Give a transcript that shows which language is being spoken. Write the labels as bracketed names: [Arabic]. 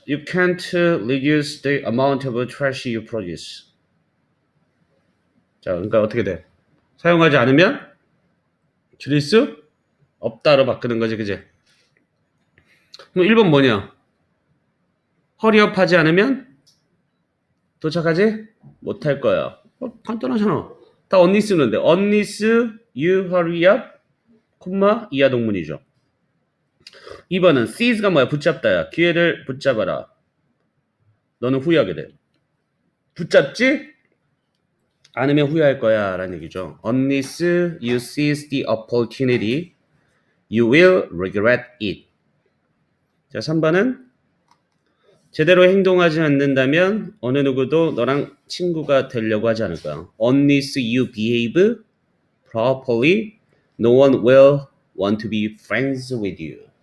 [English] You can't reduce the amount of trash you produce. [Korean] 자, 그러니까 어떻게 돼? 사용하지 않으면 줄일 수 없다로 바꾸는 거지, 그지? 그럼 1번 뭐냐? 허리업하지 않으면 도착하지 못할 거야. 간단하잖아. 다 언니 쓰는데. [English] Unless you hurry up, [Korean] 콤마 이하 동문이죠. 2번은 seize가 뭐야? 붙잡다야. 기회를 붙잡아라. 너는 후회하게 돼. 붙잡지? 않으면 후회할 거야. 라는 얘기죠. [English] Unless you seize the opportunity, you will regret it. [Korean] 자, 3번은 제대로 행동하지 않는다면 어느 누구도 너랑 친구가 되려고 하지 않을 거야. [English] Unless you behave properly, no one will want to be friends with you.